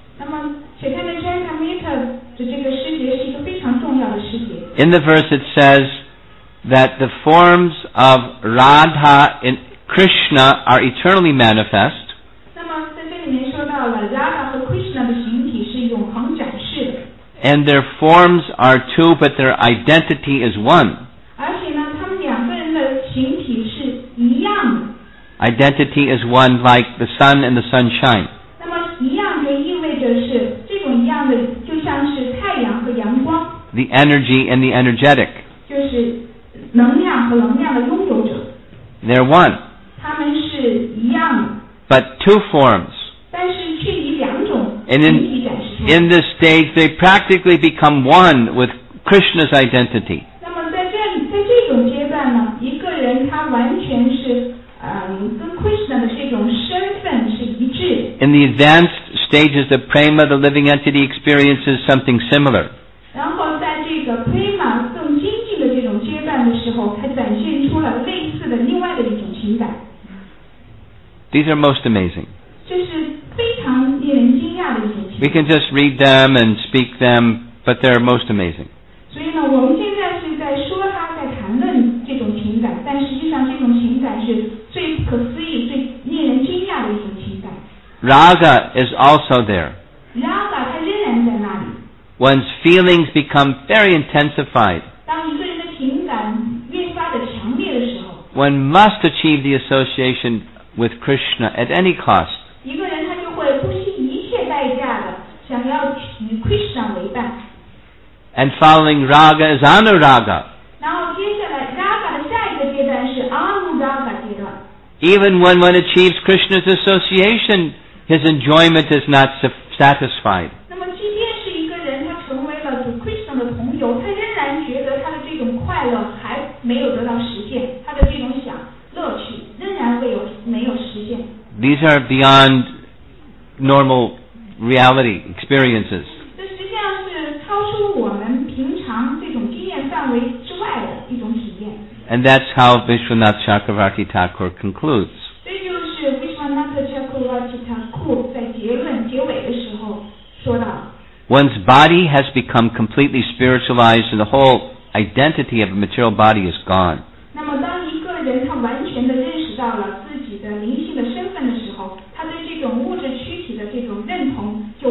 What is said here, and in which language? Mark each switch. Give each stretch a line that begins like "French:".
English: In the verse it says that the forms of Radha Krishna are eternally manifest.
Chinese: 那么在这里面说到了 Radha 和 Krishna 的形体是永恒展示的。
English: And their forms are two, but their identity is one.
Chinese: 而且呢，他们两个人的形体是一样的。
English: Identity is one, like the sun and the sunshine.
Chinese: 那么一样就意味着是这种一样的，就像是太阳和阳光。
English: The energy and the energetic.
Chinese: 就是能量和能量的拥有者。
English: They're one.
Chinese: 他们是一样的。
English: But two forms.
Chinese: 但是却以两种形体展示。
English: In this stage, they practically become one with Krishna's identity.
Chinese: 那么在这种阶段呢，一个人他完全是跟 Krishna 的这种身份是一致。
English: In the advanced stages, the prema, the living entity, experiences something similar.
Chinese: 然后在这个 prema 更精进的这种阶段的时候，它展现出了类似的另外的一种情感。
English: These are most amazing.
Chinese: 这是非常令人惊讶的一种。
English: We can just read them and speak them, but they're most amazing.
Chinese: 所以呢，我们现在是在说他，在谈论这种情感，但实际上这种情感是最不可思议、最令人惊讶的一种情感。
English: Raga is also there.
Chinese: Raga 它仍然在那里。
English: One's feelings become very intensified.
Chinese: 当一个人的情感越发的强烈的时候
English: ，One must achieve the association with Krishna at any cost.
Chinese: 一个人他就会不惜一切代价。想要与 Krishna 为伴
English: and following Raga is Anuraga
Chinese: 然后接下来 Raga 的下一个阶段是 Anuraga 阶段
English: even when one achieves Krishna's association his enjoyment is not satisfied
Chinese: 那么即便是一个人他成为了 Krishna 的朋友他仍然觉得他的这种快乐还没有得到实现他的这种享乐趣仍然会有没有实现
English: these are beyond normal reality experiences.
Chinese: 这实际上是超出我们平常这种经验范围之外的一种体验。
English: And that's how Vishwanath Chakravarti Thakur concludes.
Chinese: 这就是 Vishwanath Chakravarti Thakur 在结尾的时候说到。
English: One's body has become completely spiritualized and the whole identity of a material body is gone.
Chinese: 那么当一个人他完全地认识到了自己的灵性的身份的时候他对这种物质躯体的这种认同